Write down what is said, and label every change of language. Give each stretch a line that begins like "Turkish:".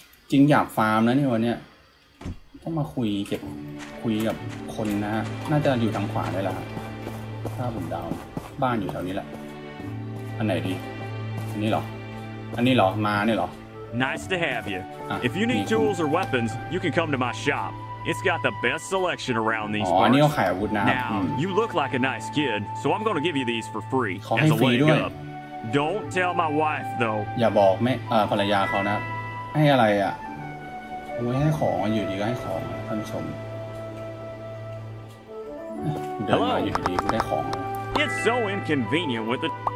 Thai: จริงอยากฟาร์มนะเนี่ยวันเนี้ยต้องมาคุยเก็บคุยกับคนนะน่าจะอยู่ทางขวาได้ละถ้าผมเดาบ้านอยู่แถวนี้แหละอันไหนดีอันนี้เหรออันนี้เหรอมานี่เหรอ
English: Nice to have you. If you need tools or weapons, you can come to my shop. It's got the best selection around these parts.
Thai: อ๋อนี่ขายอาวุธนะครับ
English: Now, you look like a nice kid, so I'm going to give you these for free.
Thai: ขอให้ฟรีด้วย
English: Don't tell my wife though.
Thai: อย่าบอกแม่ภรรยาเขานะให้อะไรอ่ะโอ้ยให้ของอยู่ดีก็ให้ของท่านชมเดินมาอยู่ดีก็ได้ของ
English: It's so inconvenient with the